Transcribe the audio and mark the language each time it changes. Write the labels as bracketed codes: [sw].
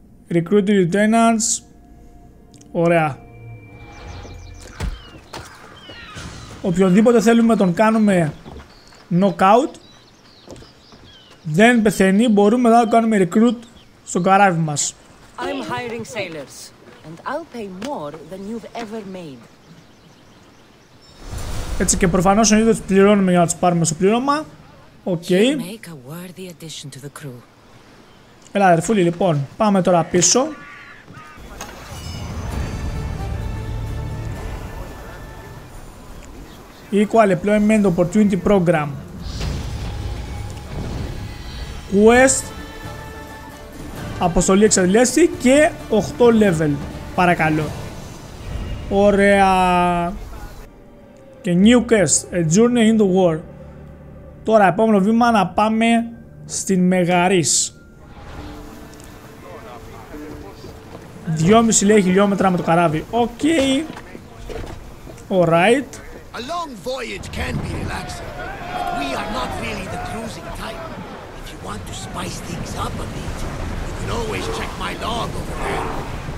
[en] Recruit lieutenants. [el] Ωραία. Οποιονδήποτε θέλουμε τον κάνουμε knockout. Δεν πεθαίνει, μπορούμε να το κάνουμε recruit στο καράβι μας. [en] I'm hiring sailors and I'll pay more than you've ever made. [el] Έτσι και προφανώς είναι ότι πληρώνουμε για να τους πάρουμε στο πλήρωμα. [en] Okay. Make a worthy addition to the crew. [el] Έλα αδερφούλη, λοιπόν, πάμε τώρα πίσω. [en] Equal Employment Opportunity Program. [el] Quest. Αποστολή εξαντλήσει και 8 level. Παρακαλώ. Ωραία. Και [en] new quest. A journey into war. [el] Τώρα επόμενο βήμα να πάμε στην Μεγαρής. 2,5 λέει χιλιόμετρα με το καράβι. Οκ. [en] Alright. A long voyage can be relaxing, but we are not really the cruising type. If you want to spice things up a bit, you can always check my log over there.